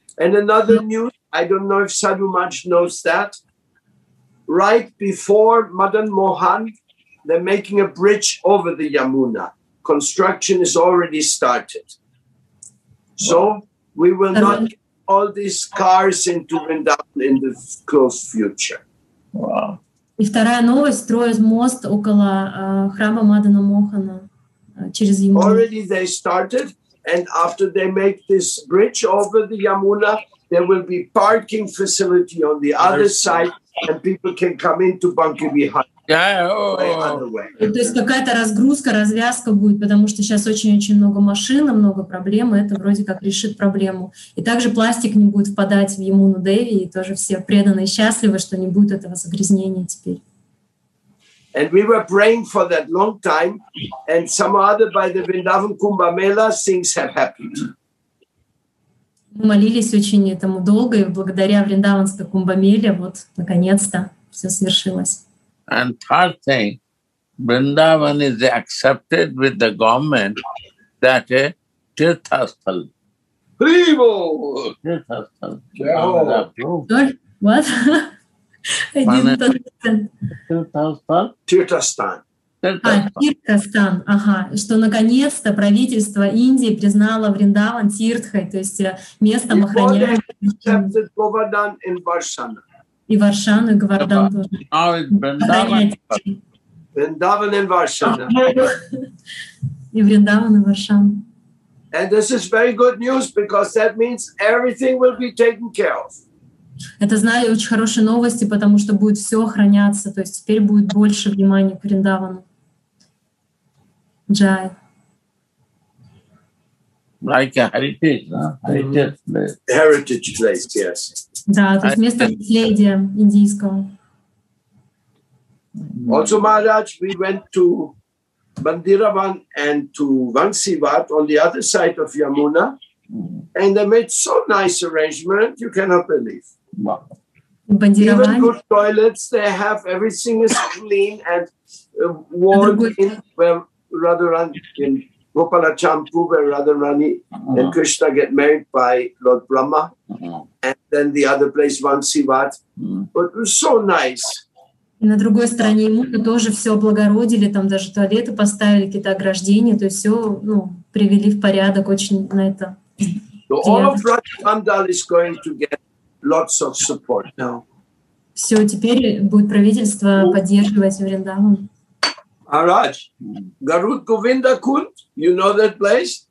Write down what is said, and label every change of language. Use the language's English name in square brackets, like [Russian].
[English] And another news, I don't know if Sadhu Maharaj knows that, right before Madan Mohan, they're making a bridge over the Yamuna. Construction is already started. So we will not... all these cars into Vrindavan in the close future. [Russian] Wow. И вторая новость, строят мост около храма Мадана Мохана через Ямуну. [English] Already they started, and after they make this bridge over the Yamuna, there will be parking facility on the other side, and people can come into Bunker Vihar. [Russian] То есть какая-то разгрузка, развязка будет, потому что сейчас очень-очень много машин, много проблем, и это вроде как решит проблему. И также пластик не будет впадать в Ямуну Деви, и тоже все преданы и счастливы, что не будет этого загрязнения теперь. [English] And we were praying for that long time, and somehow by the Vrindavan Kumbh Mela things have happened. [Russian] Мы молились очень этому долго, и благодаря Вриндаванской Кумбх Меле вот наконец-то все свершилось. [English] And third thing, Vrindavan is accepted with the government that a Tirthasthal. Primo! Tirthasthal. What? I didn't understand. Tirthasthal? Tirthasthan. [Russian] Тиртхастан. Ага. Что наконец-то правительство Индии признало Вриндаван Тиртхой, то есть местом охраняемого. И Варшану, и Гвардан тоже. Вриндаван и Варшана. И Вриндаван и Варшана. [English] And this is very good news, because that means everything will be taken care of. [Russian] Это, знаю, очень хорошие новости, потому что будет все охраняться, то есть теперь будет больше внимания к Вриндавану. [Hindi] Джай. [English] Like a heritage, no? Heritage place. Heritage place, yes. [Russian] Да, то есть место наследия индийского. [English] Also, Maharaj, we went to Bandiravan and to Vansivat on the other side of Yamuna, and they made so nice arrangement, you cannot believe. Bandiravan. Even good toilets, they have everything is clean and warm in where Radharani in Gopalachampu, where Radharani and Krishna get married by Lord Brahma. And then the other place, Vansivat. But it was so nice. [Russian] И на другой стороне ему тоже все облагородили, там даже туалеты поставили, какие-то ограждения, то есть все ну, привели в порядок очень на это. [English] So all of Rajamandal is going to get lots of support now. [Russian] Все, теперь будет правительство поддерживать Вриндаван. [English] Maharaj, Garud Govinda Kund, you know that place?